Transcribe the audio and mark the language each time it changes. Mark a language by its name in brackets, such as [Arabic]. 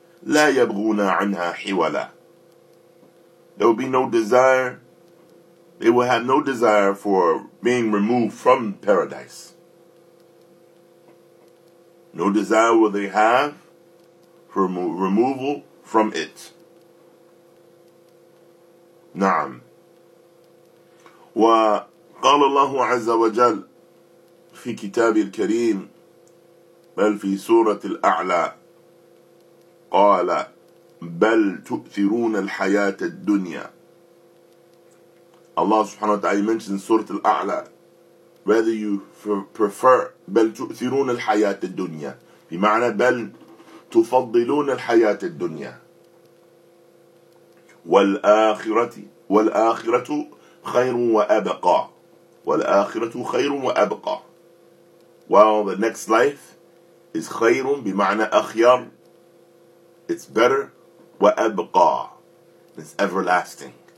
[Arabic] لا يبغون عنها حولا. [English] There will be no desire. They will have no desire for being removed from paradise. No desire will they have for removal from it. [Arabic] نعم. وقال الله عز وجل في كتابه الكريم بل في سورة الأعلى قال بل تؤثرون الحياة الدنيا. Allah subhanahu wa ta'ala mentions سورة الأعلى, [English] whether you prefer [Arabic] بل تؤثرون الحياة الدنيا, بمعنى بل تفضلون الحياة الدنيا والآخرة, والآخرة خير وأبقى, والآخرة خير وأبقى, [English] while the next life is [Arabic] khayrun, bima'na akhyar, [English] it's better, [Arabic] wa abqa, [English] it's everlasting.